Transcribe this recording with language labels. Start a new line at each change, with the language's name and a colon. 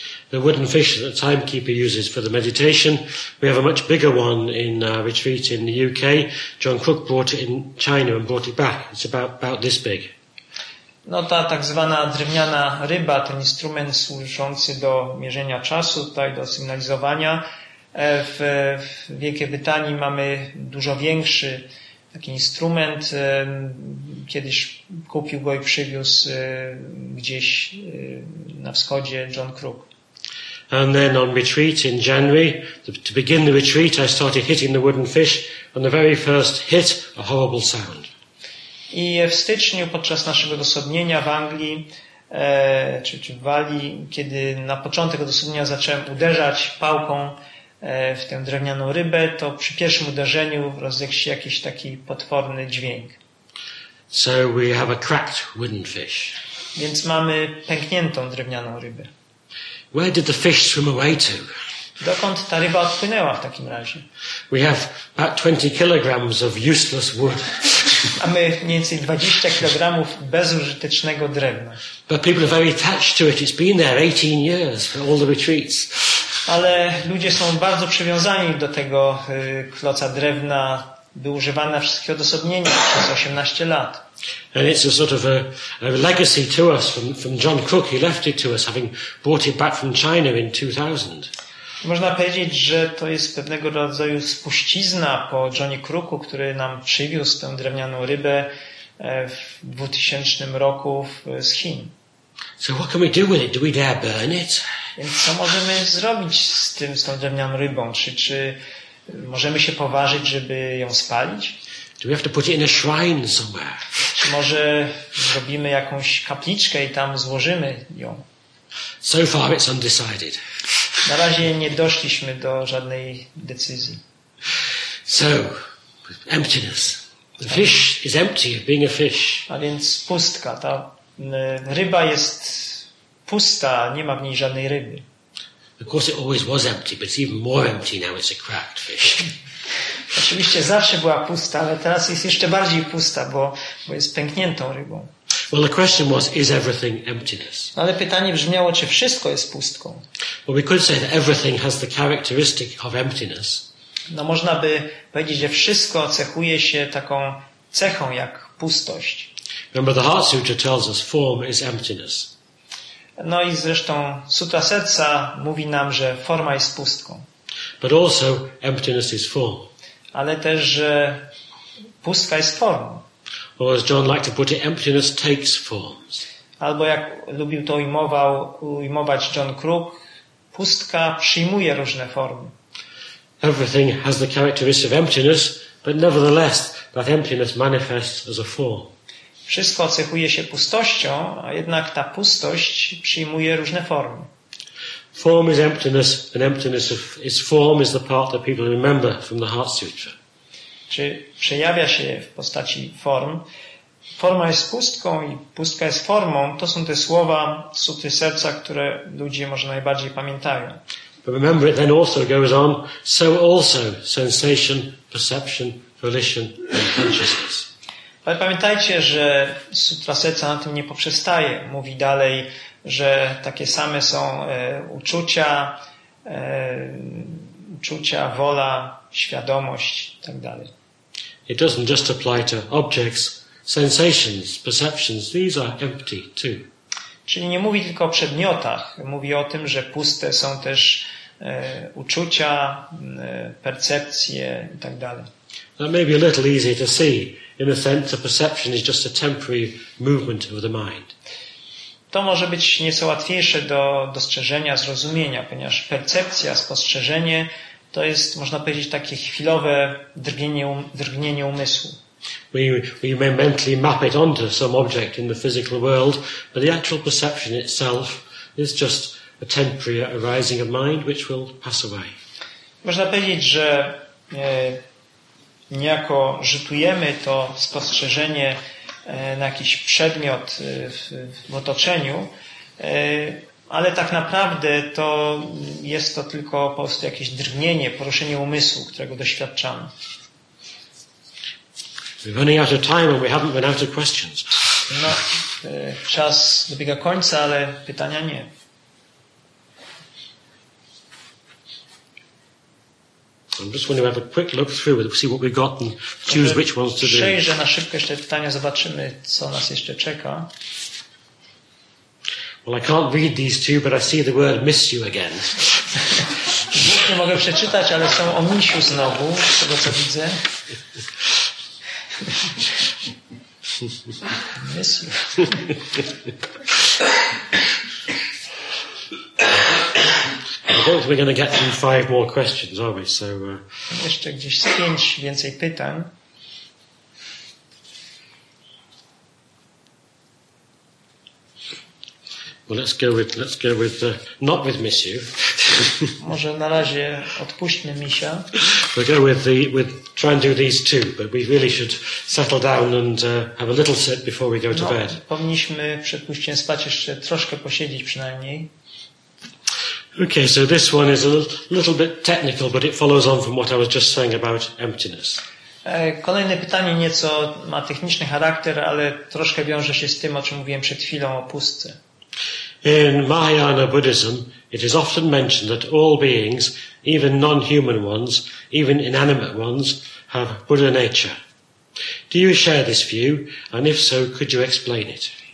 English: The wooden fish that the timekeeper uses for the meditation, we have a much bigger one in our retreat in the UK. John Crook brought it in China and brought it back. It's about this big.
Polish: No, ta tak zwana drewniana ryba, ten instrument służący do mierzenia czasu, tutaj do sygnalizowania. W Wielkiej Brytanii mamy dużo większy taki instrument. Kiedyś kupił go i przywiózł gdzieś na wschodzie John Crook.
English: And then on retreat in January, to begin the retreat, I started hitting the wooden fish and the very first hit, a horrible sound.
Polish: I w styczniu podczas naszego odosobnienia w Anglii, czy w Walii, kiedy na początek odosobnienia zacząłem uderzać pałką w tę drewnianą rybę, to przy pierwszym uderzeniu rozległ się jakiś taki potworny dźwięk.
English: So we have a cracked wooden fish.
Polish: Więc mamy pękniętą drewnianą rybę.
English: Where did the fish swim away to?
Polish: Dokąd ta ryba odpłynęła w takim razie?
English: We have about 20 kilograms of useless wood.
Polish: Mamy mniej więcej 20 kilogramów bezużytecznego drewna.
English: But people are very attached to it. It's been there 18 years for all the retreats.
Polish: Ale ludzie są bardzo przywiązani do tego kloca drewna. Był używany na wszystkie odosobnienia przez 18 lat.
English: And it's a sort of a legacy to us from John Crook. He left it to us, having brought it back from China in 2000.
Polish: Można powiedzieć, że to jest pewnego rodzaju spuścizna po Johnie Crooku, który nam przywiózł tę drewnianą rybę w 2000 roku z Chin.
English: So what can we do with it? Do we dare burn it?
Polish: Więc co możemy zrobić z tą drewnianą rybą? Czy możemy się poważyć, żeby ją spalić?
English: Do we have to put it in a shrine somewhere?
Polish: Czy może zrobimy jakąś kapliczkę i tam złożymy ją?
English: So far it's undecided.
Polish: Na razie nie doszliśmy do żadnej decyzji.
English: So, emptiness. The fish is empty of being a fish.
Polish: A więc pustka, ta ryba jest pusta, nie ma w niej żadnej ryby.
English: Of course it always was empty, but it's even more empty now it's a cracked fish.
Polish: Oczywiście zawsze była pusta, ale teraz jest jeszcze bardziej pusta, bo jest pękniętą rybą.
English: Well, the question was, is everything emptiness?
Polish: Ale pytanie brzmiało, czy wszystko jest pustką?
English: Well, we could say that everything has the characteristic of emptiness.
Polish: No można by powiedzieć, że wszystko cechuje się taką cechą jak pustość.
English: Remember, the Heart Sutra tells us form is emptiness.
Polish: No i zresztą Sutra Serca mówi nam, że forma jest pustką.
English: But also emptiness is form.
Polish: Ale też, że pustka jest formą.
English: Or as John liked to put it, emptiness takes forms.
Polish: Albo jak lubił to ujmować John Crook, pustka przyjmuje różne formy.
English: Everything has the characteristics of emptiness, but nevertheless that emptiness manifests as a form.
Polish: Wszystko cechuje się pustością, a jednak ta pustość przyjmuje różne formy.
English: Form is emptiness, and emptiness of its form is the part that people remember from the Heart Sutra.
Polish: Czy przejawia się w postaci form? Forma jest pustką i pustka jest formą. To są te słowa Sutry Serca, które ludzie może najbardziej pamiętają.
English: But remember, it then also goes on. So also sensation, perception, volition, and consciousness.
Polish: Ale pamiętajcie, że Sutra Serca na tym nie poprzestaje. Mówi dalej, że takie same są uczucia, wola, świadomość itd.
English: It doesn't just apply to objects, sensations, perceptions. These are empty too.
Polish: Czyli nie mówi tylko o przedmiotach. Mówi o tym, że puste są też uczucia, percepcje itd.
English: That may be a little easier to see. In a sense, a perception is just a temporary movement of the mind.
Polish: To może być nieco łatwiejsze do dostrzeżenia, zrozumienia, ponieważ percepcja, spostrzeżenie to jest, można powiedzieć, takie chwilowe drgnienie umysłu.
English: We may mentally map it onto some object in the physical world, but the actual perception itself is just a temporary arising of mind which will pass away.
Polish: Można powiedzieć, że niejako rzutujemy to spostrzeżenie na jakiś przedmiot w otoczeniu, ale tak naprawdę to jest to tylko po prostu jakieś drgnienie, poruszenie umysłu, którego doświadczamy.
English: We're running out of time and we haven't run out of questions.
Polish: No, czas dobiega końca, ale pytania nie.
English: I'm just wondering, have a quick look through, we'll see what we've got and choose which ones to do.
Polish: Przejrzę na szybko jeszcze pytania, zobaczymy, co nas jeszcze czeka.
English: Well, I can't read these two, but I see the word miss you again.
Polish: Nic nie mogę przeczytać, ale są o misiu znowu, z tego co widzę.
English: Miss you. I thought we're going to get through five more questions, are we? So,
Polish: jeszcze gdzieś z pięć więcej pytań.
English: Well, let's go with not with miss you.
Polish: Może na razie odpuśćmy misia.
English: We'll go with try and do these two, but we really should settle down and have a little sit before we go to bed.
Polish: Powinniśmy przed pójściem spać jeszcze troszkę posiedzieć przynajmniej.
English: Okay, so this one is a little bit technical, but it follows on from what I was just saying about emptiness.
Polish: Kolejne pytanie nieco ma techniczny charakter, ale troszkę wiąże się z tym, o czym mówiłem przed chwilą, o pustce.
English: In Mahayana Buddhism, it is often mentioned that all beings, even non-human ones, even inanimate ones, have Buddha nature. Do you share this view? And if so, could you explain it?